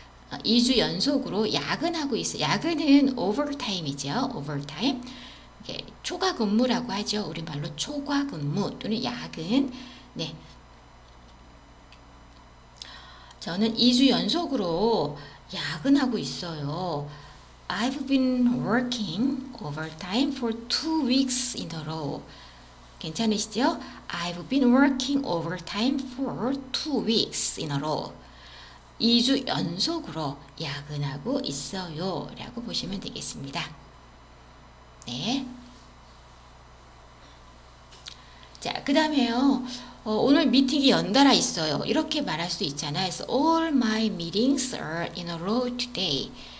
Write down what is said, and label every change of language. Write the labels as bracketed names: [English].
[Korean] 2주 연속으로 야근하고 있어요. 야근은 오버타임이죠. 오버타임. 네, 초과 근무라고 하죠. 우리말로 초과 근무 또는 야근. 네. 저는 2주 연속으로 야근하고 있어요. [English] I've been working overtime for 2 weeks in a row. [Korean] 괜찮으시죠? [English] I've been working overtime for 2 weeks in a row. [Korean] 2주 연속으로 야근하고 있어요 라고 보시면 되겠습니다. 네. 자, 그 다음에요. 오늘 미팅이 연달아 있어요. 이렇게 말할 수 있잖아요. [English] So all my meetings are in a row today.